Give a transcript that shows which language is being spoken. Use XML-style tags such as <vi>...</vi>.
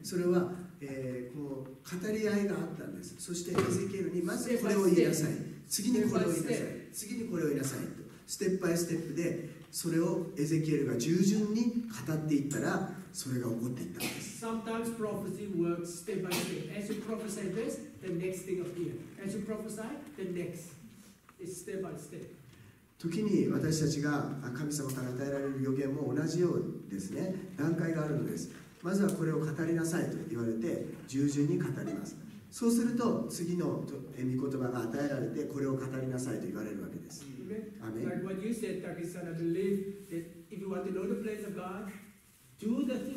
<ja>それは、こう語り合いがあったんです。そしてエゼキエルにまずこれを言いなさい。次にこれを言いなさい。次にこれを言いなさいと。ステップバイステップでそれをエゼキエルが従順に語っていったら、それが起こっていったんです。</ja> <en>Sometimes prophecy works step by step. As you prophesy this, the next thing appears. As you prophesy, the next is step by step.</en> <ja>時に私たちが神様から与えられる予言も同じようですね、段階があるのです。まずはこれを語りなさいと言われて従順に語ります。そうすると次の御言葉が与えられて、これを語りなさいと言われるわけです。アメン。</ja> <en>Like what you said, Takisan, I believe that if you want to know the plans of God,</en>